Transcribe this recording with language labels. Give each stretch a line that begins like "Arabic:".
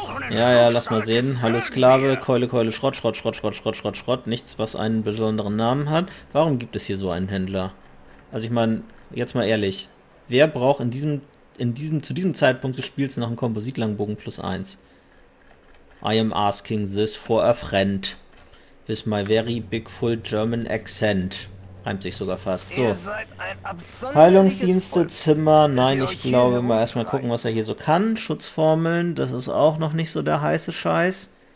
German: Ja, ja, lass mal sehen. Hallo Sklave, Keule, Keule, Schrott, Schrott, Schrott, Schrott, Schrott, Schrott, Schrott. Nichts, was einen besonderen Namen hat. Warum gibt es hier so einen Händler? Also ich meine, jetzt mal ehrlich. Wer braucht zu diesem Zeitpunkt des Spiels noch einen Kompositlangbogen plus 1?
English: I am asking this for a friend. With my very big full German accent.
German: Reimt sich sogar fast. So. Heilungsdienste, Zimmer. Nein, ich glaube, mal erstmal gucken, was er hier so kann. Schutzformeln, das ist auch noch nicht so der heiße Scheiß.